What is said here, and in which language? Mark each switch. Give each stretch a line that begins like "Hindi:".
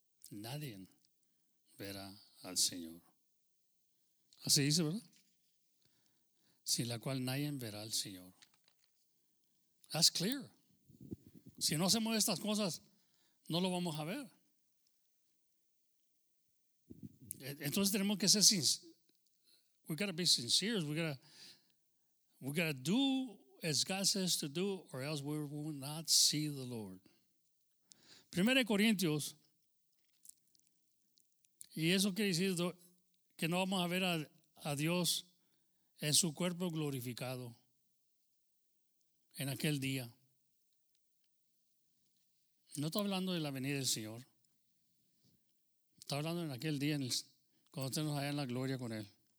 Spanish: Nadie verá al Señor. Así dice, ¿verdad? Sin la cual nadie verá al Señor.
English: That's clear.
Spanish: Si no hacemos estas cosas, no lo vamos a ver. Entonces tenemos que ser sinceros.
English: We gotta do as God says to do, or else we will not see the Lord.
Spanish: Primera de Corintios, y eso quiere decir que no vamos a ver a Dios en su cuerpo glorificado en aquel día. No está hablando de la venida del Señor. Está hablando en aquel día, cuando estemos allá en la gloria con Él.